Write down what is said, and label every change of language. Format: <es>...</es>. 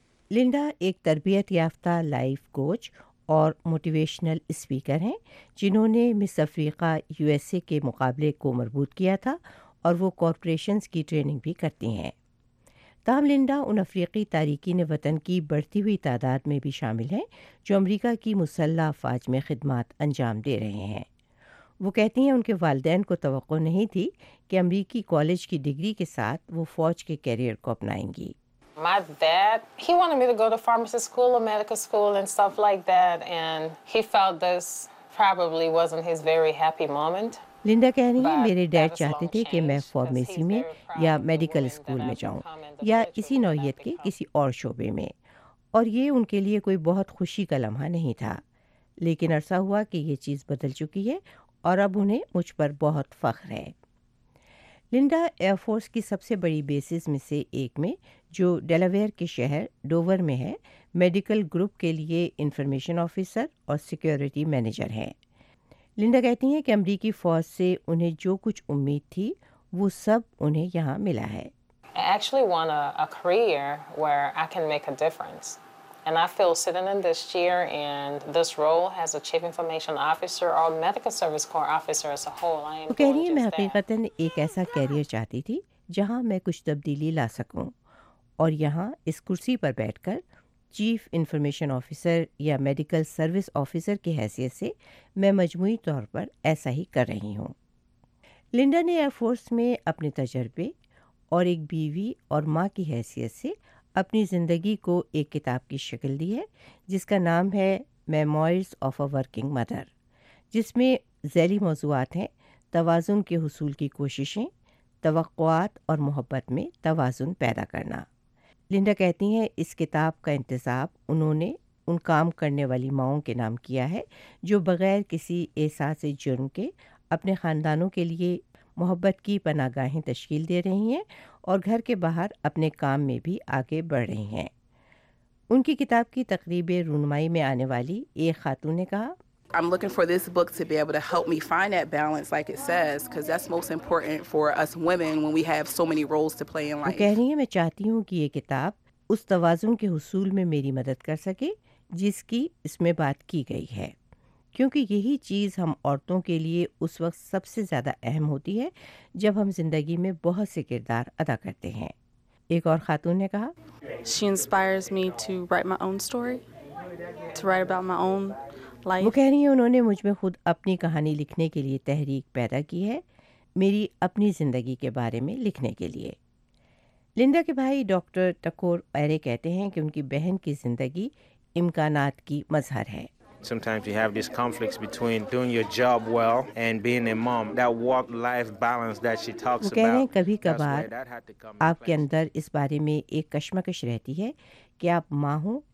<ur>Linda ایک تربیت یافتہ لائف کوچ اور موٹیویشنل اسپیکر ہیں جنہوں نے مس افریقہ یو ایس اے کے مقابلے کو مربوط کیا تھا، اور وہ کارپوریشنز کی ٹریننگ بھی کرتی ہیں۔ تاہم لنڈا ان افریقی تارکین وطن کی بڑھتی ہوئی تعداد میں بھی شامل ہیں جو امریکہ کی مسلح افواج میں خدمات انجام دے رہے ہیں۔ وہ کہتی ہیں ان کے والدین کو توقع نہیں تھی کہ امریکی کالج کی ڈگری کے ساتھ وہ فوج کے کیریئر کو اپنائیں گی۔</ur> <en>My dad, he wanted me to go to pharmacy school or medical school and stuff like that, and he felt this probably wasn't his very happy moment.</en> <ur>Linda کہہ رہی ہیں، میرے ڈیڈ چاہتے تھے کہ میں فارمیسی میں یا میڈیکل اسکول میں جاؤں یا اسی نوعیت کے کسی اور شعبے میں، اور یہ ان کے لیے کوئی بہت خوشی کا لمحہ نہیں تھا، لیکن عرصہ ہوا کہ یہ چیز بدل چکی ہے اور اب انہیں مجھ پر بہت فخر ہے۔ لنڈا ایئر فورس کی سب سے بڑی بیسز میں سے ایک میں، جو ڈیلاویئر کے شہر ڈوور میں ہے، میڈیکل گروپ کے لیے انفارمیشن آفیسر اور سیکیورٹی مینیجر ہیں۔ لنڈا کہتی ہیں کہ امریکی فوج سے انہیں جو کچھ امید تھی وہ سب انہیں یہاں ملا ہے۔</ur> <en>And I feel sitting in this chair and this role as a chief information officer or medical service corps officer as a whole, I am going to say that</en> <ur>میں حقیقتاً ایک ایسا کیریئر چاہتی تھی جہاں میں کچھ تبدیلی لا سکوں، اور یہاں اس کرسی پر بیٹھ کر چیف انفارمیشن آفیسر یا میڈیکل سروس آفیسر کی حیثیت سے میں مجموعی طور پر ایسا ہی کر رہی ہوں۔ لنڈا نے ایئر فورس میں اپنے تجربے اور ایک بیوی اور ماں کی حیثیت سے اپنی زندگی کو ایک کتاب کی شکل دی ہے جس کا نام ہے میموئرز آف اے ورکنگ مدر، جس میں ذیلی موضوعات ہیں توازن کے حصول کی کوششیں، توقعات اور محبت میں توازن پیدا کرنا۔ لنڈا کہتی ہیں اس کتاب کا انتساب انہوں نے ان کام کرنے والی ماؤں کے نام کیا ہے جو بغیر کسی احساس جرم کے اپنے خاندانوں کے لیے محبت کی پناہ گاہیں تشکیل دے رہی ہیں اور گھر کے باہر اپنے کام میں بھی آگے بڑھ رہی ہیں۔ ان کی کتاب کی تقریب رونمائی میں آنے والی ایک خاتون نے کہا،</ur> <en>I'm looking for this book to be able to help me find that balance like it says, because that's most important for us women when we have so many roles to play in life.</en> <ur>وہ کہہ رہی ہیں، میں چاہتی ہوں کہ یہ کتاب اس توازن کے حصول میں میری مدد کر سکے جس کی اس میں بات کی گئی ہے، کیونکہ یہی چیز ہم عورتوں کے لیے اس وقت سب سے زیادہ اہم ہوتی ہے جب ہم زندگی میں بہت سے کردار ادا کرتے ہیں۔ ایک اور خاتون نے کہا،</ur> <en>She inspires me to write my own story, to write about my own.</en> <ur>وہ کہہ رہی ہیں، انہوں نے مجھ میں خود اپنی کہانی لکھنے کے لیے تحریک پیدا کی ہے، میری اپنی زندگی کے بارے میں لکھنے کے لیے۔ لنڈا کے بھائی ڈاکٹر ٹکور ایرے کہتے ہیں کہ ان کی بہن کی زندگی امکانات کی مظہر ہے۔</ur> <en>Sometimes you have these conflicts between doing your job well and being a mom. That work-life balance that she talks about.</en> <ur>وہ کہہ رہے ہیں، کبھی کبھار آپ کے اندر اس بارے میں ایک کشمکش رہتی ہے کہ آپ ماں ہوں</ur>